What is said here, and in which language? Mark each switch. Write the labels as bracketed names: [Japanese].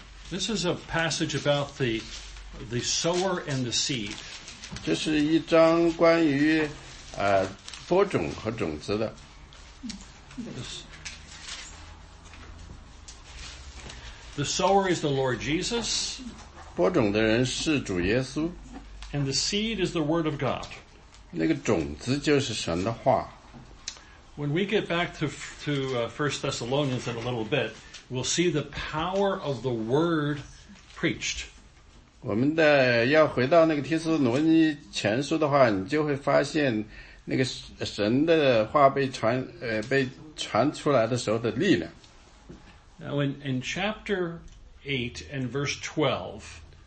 [English] This is a passage about the sower and the seed. [Chinese] 这是一章关于播种和种子的。 [English] The sower is the Lord Jesus. [Chinese] 播种的人是主耶稣。 [English] And the seed is the word of God. [Chinese] 那个种子就是神的话。 [English] When we get back to 1 Thessalonians in a little bit, we'll see the power of the word preached. [Chinese] 我们的要回到那个提斯罗尼前书的话，你就会发现那个神的话被传出来的时候的力量。 [English] Now in chapter 8 and verse 12,